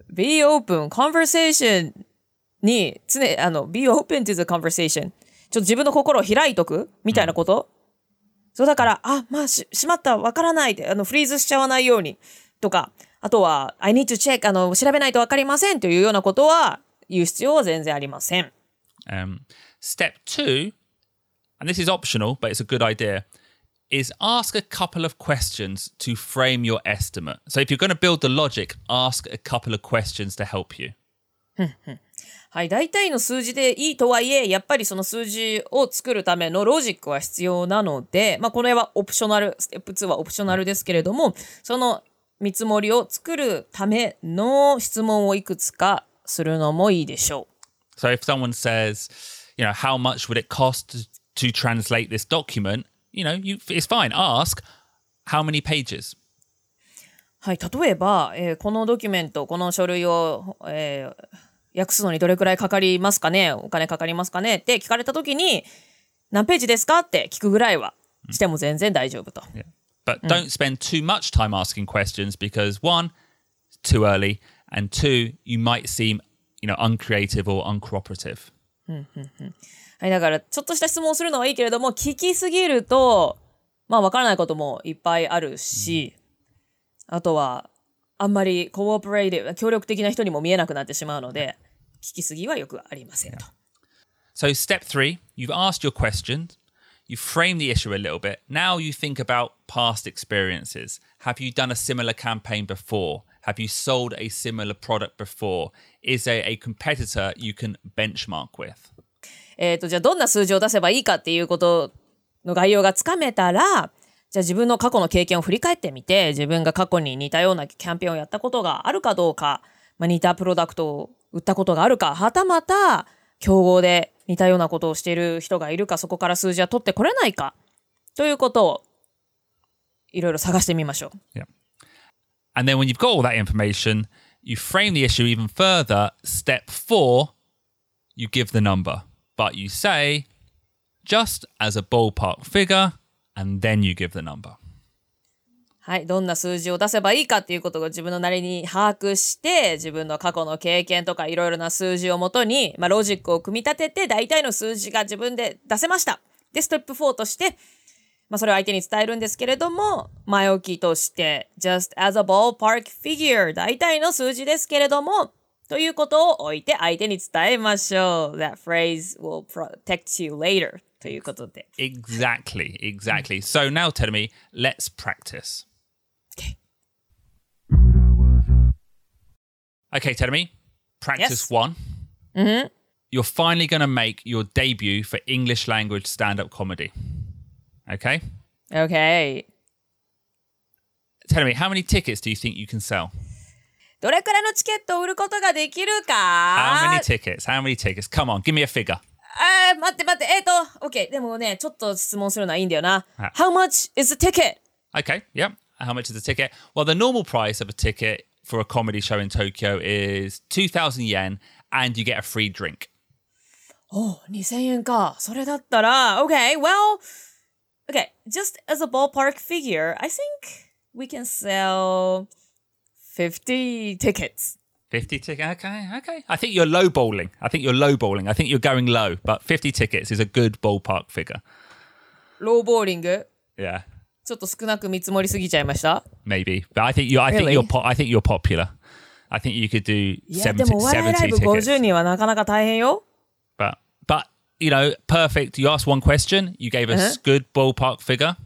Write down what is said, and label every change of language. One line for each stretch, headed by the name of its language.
English: Be open. Conversation
Japanese: に常、あの、
English: be open to the conversation.
Japanese: ちょっと自分の心を開いとくみたいなこと、mm. そうだから、あ、まあ、しまった、わからない。あの、フリーズしちゃわないようにとか、あとは、
English: I need to check.
Japanese: あの、調べないとわかりませんというようなことは言う必要は全然ありません。
English: Step two, and this is optional, but it's a good idea. Is ask a couple of questions to frame your estimate. So if you're going to build the logic, ask a couple of questions to help you.
Japanese: はい、大体の数字でいいとはいえ、やっぱりその数字を作るためのロジックは必要なので、まあこの辺はオプショナル、ステップ2はオプショナルですけれども、その見積もりを作るための質問をいくつかするのもいいでしょう。
English: So if someone says, you know, how much would it cost to translate this document? You know, it's fine. Ask how many pages.
Japanese: はい、例えば、このドキュメント、この書類を、訳すのにどれくらいかかりますかね、お金かかりますかねって聞かれたときに、何ページですかって聞くぐらいはしても全然大丈夫と。
English: Yeah. But don't spend too much time asking questions because one, too early, and two, you might seem, you know, uncreative or uncooperative.
Japanese: はい、だからちょっとした質問をするのはいいけれども、聞きすぎるとまあわからないこともいっぱいあるし、あとはあんまりコーオペレーティブ、協力的な人にも見えなくなってしまうので、聞きすぎはよくありませんと。
English: So step three, you've asked your questions, you've framed the issue a little bit. Now you think about past experiences. Have you done a similar campaign before? Have you sold a similar product before? Is there a competitor you can benchmark with?
Japanese: じゃあどんな数字を出せばいいかっていうことの概要がつかめたら、じゃあ自分の過去の経験を振り返ってみて、自分が過去に似たようなキャンペーンをやったことがあるかどうか、まあ、似たプロダクトを売ったことがあるか、はたまた競合で似たようなことをしている人がいるか、そこから数字は取ってこれないかということをいろいろ探してみましょう。
English: Yeah. And then when you've got all that information, you frame the issue even further. Step 4 you give the number, but you say just as a ballpark figure, and then you give the number.
Japanese: はい、どんな数字を出せばいいかっていうことを自分のなりに把握して、自分の過去の経験とかいろいろな数字をもとに、まあ、ロジックを組み立てて大体の数字が自分で出せました。で、ステップ4として、まあ、それを相手に伝えるんですけれども、前置きとして、
English: just as a ballpark figure、
Japanese: 大体の数字ですけれども、ということを置いて相手に伝えましょう。
English: That phrase will protect you later.
Japanese: ということで。
English: Exactly, exactly. So now, Terumi, let's practice. Okay, Terumi, practice one. Mm-hmm. You're finally going to make your debut for English language stand-up comedy. Okay? Okay. Terumi, how many tickets do you think you can sell?
Japanese: どれくらいのチケットを売ることができるか?
English: How many tickets? Come on, give me a figure.
Japanese: 待って。
English: Okay.
Japanese: でもね、ちょっと質問するのはいいんだよな。
English: How much is the ticket? Okay. Yeah. How much is the ticket? Well, the normal price of a ticket for a comedy show in Tokyo is 2,000 yen and you get a free drink. Oh, 2,000 yen
Japanese: か。それだったら、
English: Okay. Well, okay. Just as a ballpark figure, I think we can sell 50 tickets. 50 tickets, okay. I think you're lowballing. I think you're going low, but 50 tickets is a good ballpark figure. Lowballing? Yeah.
Japanese: ちょっと少なく見積もりすぎちゃいました?
English: Maybe, but I think you, I think you're popular. I think you could do 70 tickets.
Japanese: でも、笑いライブ50人はなかなか大変よ。
English: But, you know, perfect. You asked one question, you gave us good ballpark figure.